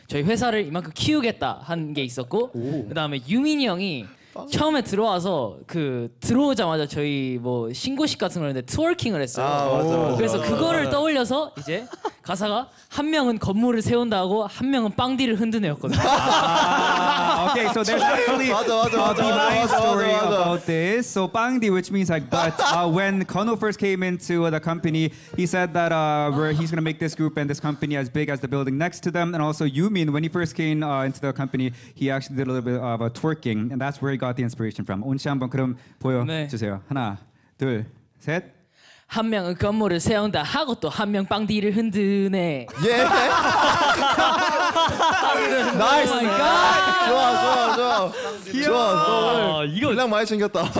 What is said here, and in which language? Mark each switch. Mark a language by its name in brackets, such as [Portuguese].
[Korean] 저희 회사를 이만큼 키우겠다 한 게 있었고 그 다음에 유민이 형이 처음에 들어와서 그 들어오자마자 저희 뭐 신고식 같은 걸 했는데 트워킹을 했어요. 아, 맞아, 맞아, 그래서 맞아, 그거를 맞아. 떠올려서 이제 가사가 한 명은 건물을 세운다고 한 명은 빵디를 흔드네였거든요. [English] 아, okay, so there's actually a behind story about this. So 빵디, which means like butt. When Kono first came into the company, he said that he's gonna make this group and this company as big as the building next to them. And also Yumin, when he first came into the company, he actually did a little bit of a twerking, and that's where he got the inspiration from. [Korean] 온씨 한번 그럼 보여주세요. 네. 하나, 둘, 셋. 한 명은 건물을 세운다 하고 또 한 명 빵디를 흔드네. 예. Yeah. 나이스. [English] Oh my God. [Korean] 좋아 좋아 좋아. 귀여워. 좋아. 이거 분량 많이 챙겼다.